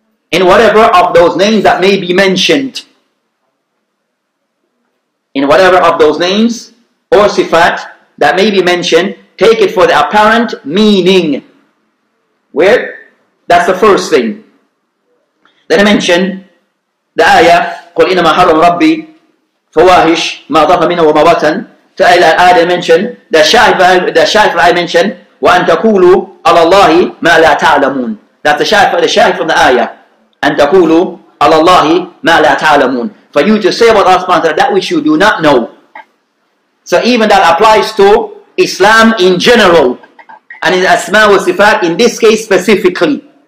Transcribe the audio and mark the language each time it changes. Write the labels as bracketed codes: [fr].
[en] In whatever of those names that may be mentioned, in whatever of those names or sifat that may be mentioned, take it for the apparent meaning. Where? That's the first thing. Then I mention the ayah, [ar] قُلْ إِنَّمَا حَرَّمَ رَبِّي فَوَاهِشْ مَا ظَهَرَ مِنْهُ وَمَا بَطَنَ. [en] The ayah I mentioned, the shahid I mentioned, [ar] وَأَنْ تَقُولُوا عَلَى اللَّهِ مَا لَا تَعْلَمُونَ. [en] That's the shahid from the ayah. [ar] أَنْ تَقُولُوا عَلَى اللَّهِ مَا لَا تَعْلَمُونَ. [en] For you to say about Allah subhanahu wa ta'ala that which you do not know. So even that applies to Islam in general, and in asma wa sifat, in this case specifically.